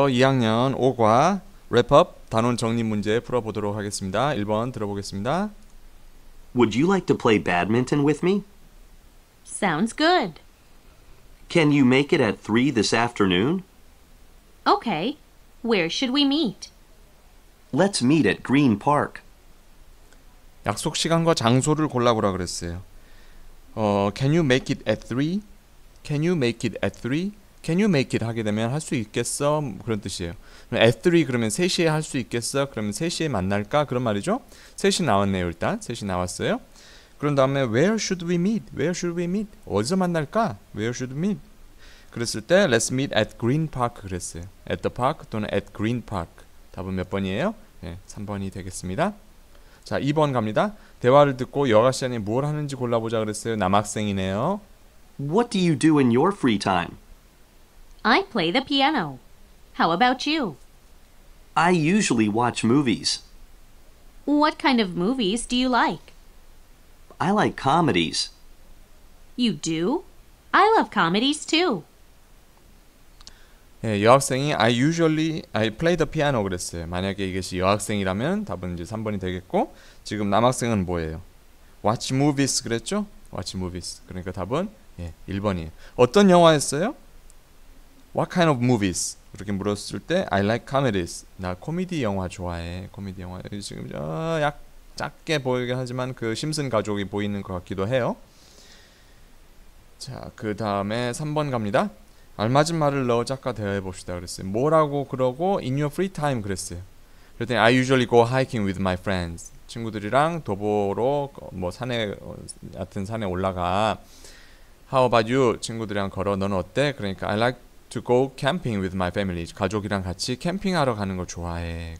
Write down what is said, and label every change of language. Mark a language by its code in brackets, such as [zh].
[ko] 2학년 5과 랩업 단원 정리 문제 풀어보도록 하겠습니다. 1번 들어보겠습니다. [en] Would you like to play badminton with me? Sounds good. Can you make it at 3 this afternoon? Okay. Where should we meet? Let's meet at Green Park. [ko] 약속 시간과 장소를 골라보라 그랬어요. [en] Can you make it at 3? Can you make it at 3? Can you make it [ko] 하게 되면 할 수 있겠어? 그런 뜻이에요. [en] At 3 [ko] 그러면 3시에 할 수 있겠어? 그러면 3시에 만날까? 그런 말이죠. 3시 나왔네요. 일단 3시 나왔어요. 그런 다음에 [en] Where should we meet? Where should we meet? [ko] 어디서 만날까? [en] Where should we meet? [ko] 그랬을 때 [en] Let's meet at Green Park [ko] 그랬어요. [en] At the park [ko] 또는 [en] at Green Park. [ko] 답은 몇 번이에요? 네, 3번이 되겠습니다. 자, 2번 갑니다. 대화를 듣고 여가 시간에 뭘 하는지 골라보자 그랬어요. 남학생이네요. [en] What do you do in your free time? I play the piano. How about you? I usually watch movies. What kind of movies do you like? I like comedies. You do? I love comedies too. [ko] 예, 여학생이 [en] I play the piano [ko] 그랬어요. 만약에 이것이 여학생이라면 답은 이제 3번이 되겠고 지금 남학생은 뭐예요? [en] Watch movies [ko] 그랬죠? [en] Watch movies. [ko] 그러니까 답은 예, 1번이에요. 어떤 영화였어요? [en] What kind of movies? [ko] 이렇게 물었을 때 [en] I like comedies. [ko] 나 코미디 영화 좋아해. 코미디 영화. 지금 약 작게 보이긴 하지만 그 심슨 가족이 보이는 것 같기도 해요. 자, 그 다음에 3번 갑니다. 알맞은 말을 넣어 작가 대화해봅시다. 그랬어요. 뭐라고 그러고 [en] in your free time [ko] 그랬어요. 그랬더니 [en] I usually go hiking with my friends. [ko] 친구들이랑 도보로 뭐 산에 같은 산에 올라가. [en] How about you? [ko] 친구들이랑 걸어. 넌 어때? 그러니까 [en] I like to go camping with my family. [ko] 가족이랑 같이 캠핑하러 가는 거 좋아해.